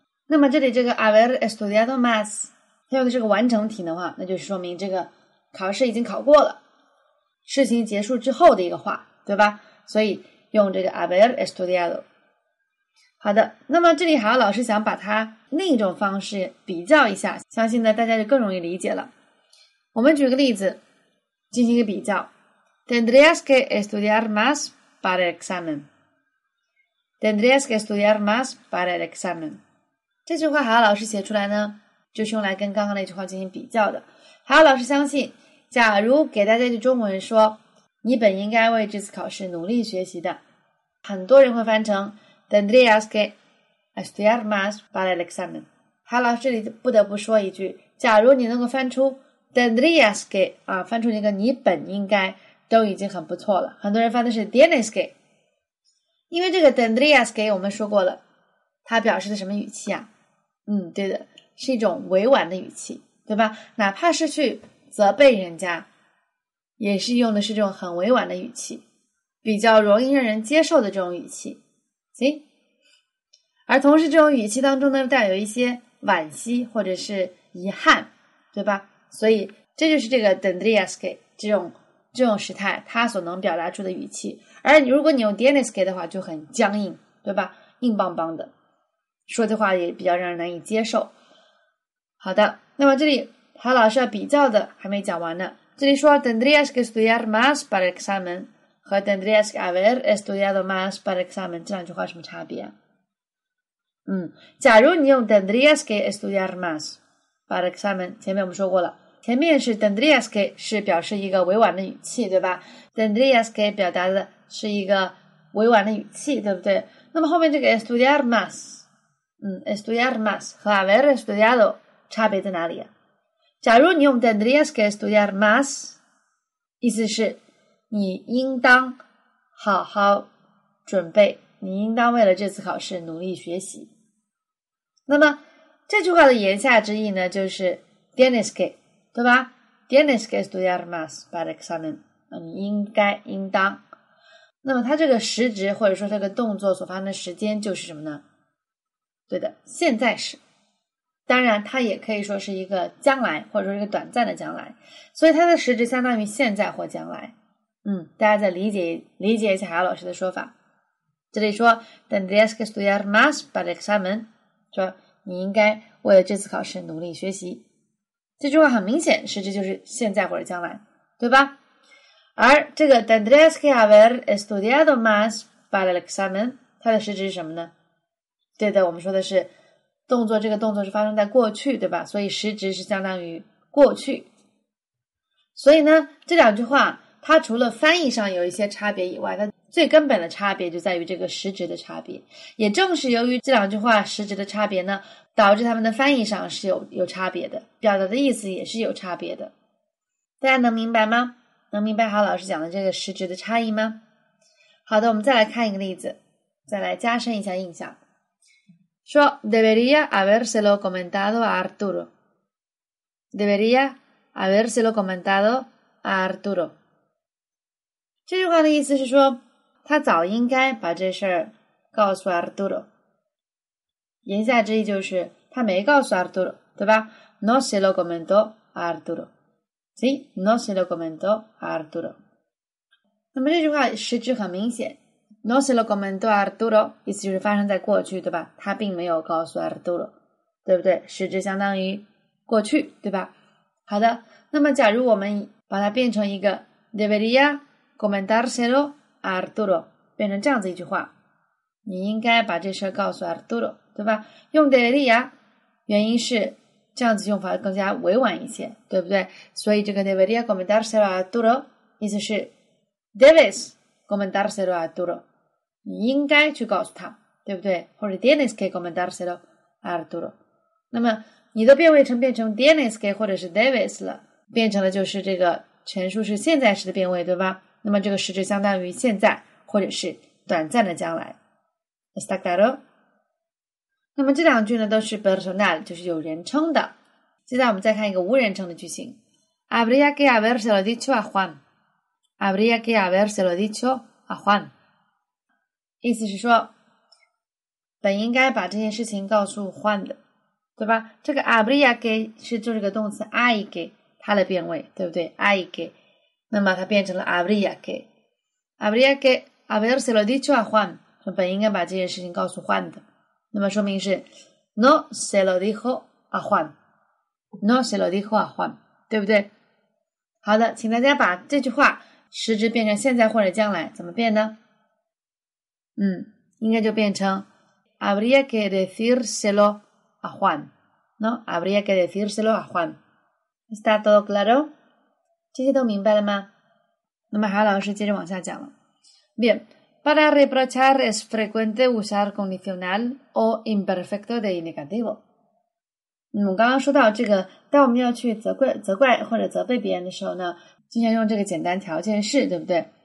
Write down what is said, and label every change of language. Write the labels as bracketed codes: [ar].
[zh] 那么这里这个 [es] haber estudiado más [zh] 它用的是个完成体的话，那就是说明这个考试已经考过了，事情结束之后的一个话，对吧？所以用这个 [es] haber estudiado。 [zh] 好的，那么这里还有老师想把它另一种方式比较一下，相信呢大家就更容易理解了。我们举个例子进行一个比较。 [es] Tendrías que estudiar más para el examen. Tendrías que estudiar más para el examen. [zh] 这句话还有老师写出来呢，就是用来跟刚刚那句话进行比较的。还有老师相信，假如给大家一句中文说，你本应该为这次考试努力学习的，很多人会翻成 [es] tendrías que， a estudiar más para el examen. [zh] 韩老师这里不得不说一句，假如你能够翻出 [es] tendrías que [zh] 啊，翻出一个你本应该都已经很不错了。很多人翻的是 [es] tienes que， [zh] 因为这个 tendrías que 我们说过了，它表示的什么语气啊？嗯，对的，是一种委婉的语气，对吧？哪怕是去责备人家，也是用的是这种很委婉的语气，比较容易让人接受的这种语气。行，而同时这种语气当中呢，带有一些惋惜或者是遗憾，对吧？所以这就是这个 [es] tendrías que [zh] 这种时态，它所能表达出的语气。而如果你用 [es] tienes que [zh] 的话，就很僵硬，对吧？硬邦邦的，说的话也比较让人难以接受。好的，那么这里韩老师要比较的还没讲完呢。这里说 [es] tendrías que estudiar más para el examen [zh] 和 [es] tendrías que haber estudiado más para el examen [zh] 这两句话什么差别？假如你用 [es] tendrías que estudiar más para el examen， [zh] 前面我们说过了，前面是 [es] tendrías que [zh] 是表示一个委婉的语气，对吧？ [es] tendrías que [zh] 表达的是一个委婉的语气，对不对？那么后面这个 [es] estudiar más， [zh] estudiar más 和 [es] haber estudiado [zh] 差别在哪里啊？假如你用 [es] tendrías que estudiar más， [zh] 意思是你应当好好准备，你应当为了这次考试努力学习。那么这句话的言下之意呢，就是 [es] tienes que， [zh] 对吧？ [es] tienes que estudiar más para el examen， [zh] 你应该应当。那么它这个实质或者说这个动作所发生的时间就是什么呢？对的，现在时。当然它也可以说是一个将来或者说一个短暂的将来，所以它的实质相当于现在或将来。大家再理解一下韩老师的说法。这里说 [es] tendrías que estudiar más para el examen， [zh] 说你应该为了这次考试努力学习，这句话很明显实质就是现在或者将来，对吧？而这个 [es] tendrías que haber estudiado más para el examen， [zh] 它的实质是什么呢？对的，我们说的是动作，这个动作是发生在过去，对吧？所以实质是相当于过去。所以呢，这两句话它除了翻译上有一些差别以外，它最根本的差别就在于这个实质的差别。也正是由于这两句话实质的差别呢，导致他们的翻译上是有差别的，表达的意思也是有差别的。大家能明白吗？能明白好老师讲的这个实质的差异吗？好的，我们再来看一个例子，再来加深一下印象。 [es] Yo debería habérselo comentado a Arturo. Debería habérselo comentado a Arturo. [zh] 这句话的意思是说，他早应该把这事儿告诉 Arturo。言下之意就是他没告诉 Arturo， 对吧 ？ [es] No se lo comentó a Arturo. Sí, no se lo comentó a Arturo. [zh] 那么这句话实质很明显。 [es] No se lo comentó a Arturo， [zh] 意思就是发生在过去，对吧？他并没有告诉 Arturo， 对不对？实质相当于过去，对吧？好的，那么假如我们把它变成一个 [es] debería comentárselo a Arturo， [zh] 变成这样子一句话，你应该把这事告诉 Arturo， 对吧？用 debería， 原因是这样子用法更加委婉一些，对不对？所以这个 [es] debería comentárselo a Arturo， [zh] 意思是 debes。 [es] comentárselo a Arturo， [zh] 你应该去告诉他，对不对？ [es] 或者 tienes que comentárselo a Arturo。 [zh] 那么你都变成 [es] tienes que [zh] 或者是 debes 了，变成了就是这个陈述是现在时的变位，对吧？那么这个实质相当于现在或者是短暂的将来。 [es] está claro？ [zh] 那么这两句呢都是 personal， 就是有人称的。现在我们再看一个无人称的句型。 [es] habría que habérselo dicho a Juan。 Habría que habérselo dicho a Juan， [zh] 意思是说本应该把这件事情告诉 [es] Juan 的，对吧？ [zh] 这个 habría que 是做这个动词 hay que 它的变位，对不对？ [es] hay que， [zh] 那么它变成了 [es] habría que。 Habría que habérselo dicho a Juan， [zh] 本应该把这件事情告诉 [es] Juan [zh] 的，那么说明是 [es] no se lo dijo a Juan， no se lo dijo a Juan， 对不对？ [zh] 好的，请大家把这句话实质变成现在或者将来，怎么变呢？应该就变成 [es] habría que decírselo a Juan， ¿no? habría que decírselo a Juan。 ¿Está todo claro? [zh] 这些都明白了吗？那么韩老师接着往下讲了。 Bien， [es] Para reprochar es frecuente usar condicional o imperfecto de indicativo. [zh] 我们刚刚说到这个，当我们要去责怪或者责备别人的时候呢，经常用这个简单条件式，对不对？